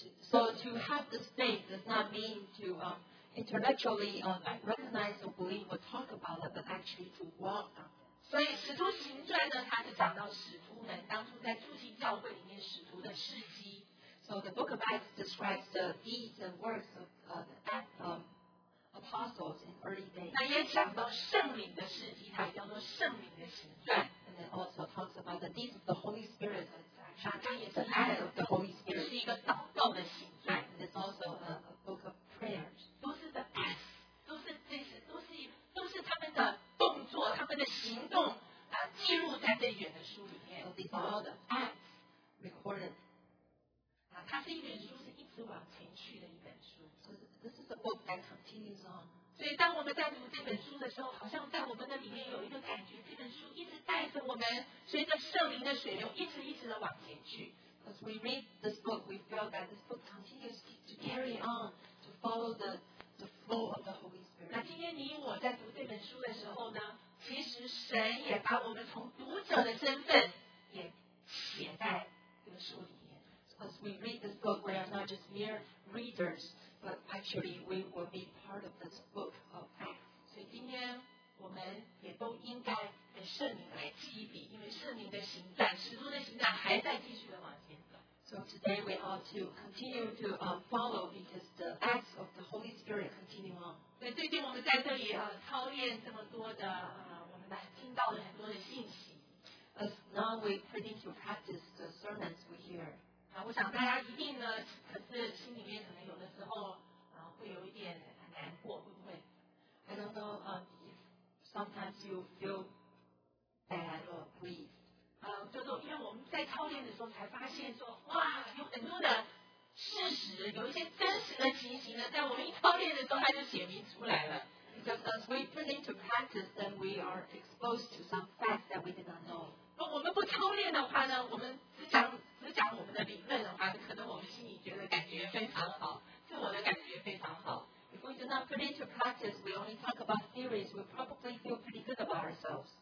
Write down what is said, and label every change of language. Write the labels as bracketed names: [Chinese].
[English] So to have this faith does not mean to intellectually recognize or believe or talk about it, but actually to walk on it. [Chinese] 所以使徒行传呢，它是讲到使徒们当初在初期教会里面使徒的事迹。 [English] So the book of Acts describes the deeds and works of apostles in early days. [Chinese] 那也讲到圣灵的事迹，它叫做圣灵的行传。 [English] And it also talks about the deeds of the Holy Spirit. [Chinese] 它也是一个，是一个祷告的行传。 [English] It's also a book of prayers. [Chinese] 都是 [English] the acts, [Chinese] 都是这些，都是他们的动作，他们的行动啊，记录在这卷的书里面。 [English] So these are all the acts recorded. [Chinese] 啊，它是一卷书，是一直往前去的一本书。 [English] So this is a book that continues on. [Chinese] 所以当我们在读这本书的时候，好像在我们的里面有一个感觉，这本书一直带着我们，随着圣灵的水流，一直的往前去。 [English] As we read this book, we feel that this book continues to carry on, to follow the flow of the Holy Spirit. [Chinese] 那今天你我在读这本书的时候呢，其实神也把我们从读者的身份也写在这个书里面。 [English] So as we read this book, we are not just mere readers, but actually we will be part of this book of Acts. [Chinese] 所以今天我们也都应该跟圣灵来记一笔，因为圣灵的行传、使徒的行传还在继续的往前。 [English] So today we ought to continue to follow because the acts of the Holy Spirit continue on. [Chinese] 对，最近我们在这里操练这么多的，我们听到了很多的信息。 [English] As now we put into practice the sermons we hear. [Chinese] 我想大家一定呢，可是心里面可能有的时候会有一点难过，会不会 [English] ？I don't know. Sometimes you feel bad or grieved. [Chinese] 因为我们在操练的时候才发现说，哇，有很多的事实，有一些真实的情形呢，在我们一操练的时候，它就显明出来了。 [English] Because as we put into practice, then we are exposed to some facts that we did not know. [Chinese] 如果我们不操练的话呢，我们只讲我们的理论的话，可能我们心里觉得感觉非常好，自我的感觉非常好。 [English] If we do not put into practice, we only talk about theories, we probably feel pretty good about ourselves.